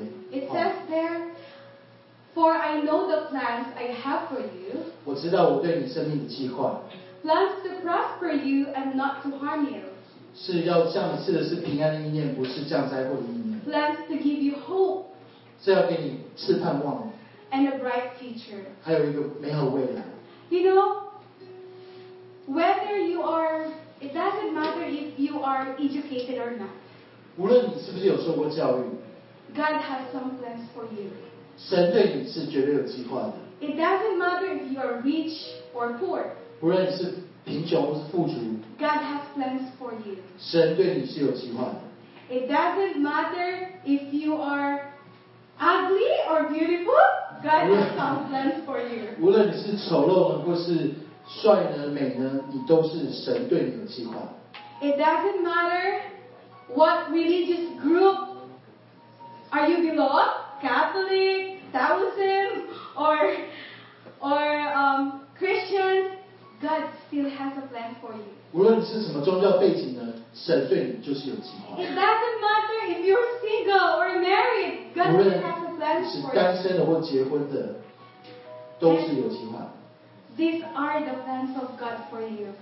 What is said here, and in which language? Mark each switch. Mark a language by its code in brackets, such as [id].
[en] It says there, "For I know the plans I have for you." [zh] 我知道我对你生命的计划。 [en] Plans to prosper you and not to harm you. [zh] 是要降赐的是平安的意念，不是降灾祸的意念。 [en] Plans to give you hope. [zh] 是要给你赐盼望。 [en] And a bright future. [zh] 还有一个美好未来。 [en] You know. Whether you are, it doesn't matter if you are educated or not. [zh] 无论你是不是有受过教育。 [en] God has some plans for you. [zh] 神对你是绝对有计划的。 [en] It doesn't matter if you are rich or poor. [zh] 无论你是贫穷或是富足。 [en] God has plans for you. [zh] 神对你是有计划的。 [en] It doesn't matter if you are ugly or beautiful. God has some plans for you. [zh] 无论你是丑陋的或是帅呢，美呢，你都是神对你的计划。 [en] It doesn't matter what religious group are you belong, Catholic, Taoism, or Christian, God still has a plan for you. [zh] 无论你是什么宗教背景呢，神对你就是有计划。 [en] It doesn't matter if you're single or married, God still has a plan for you. [zh] 是单身的或结婚的，都是有计划。 [en] These are the plans of God for you.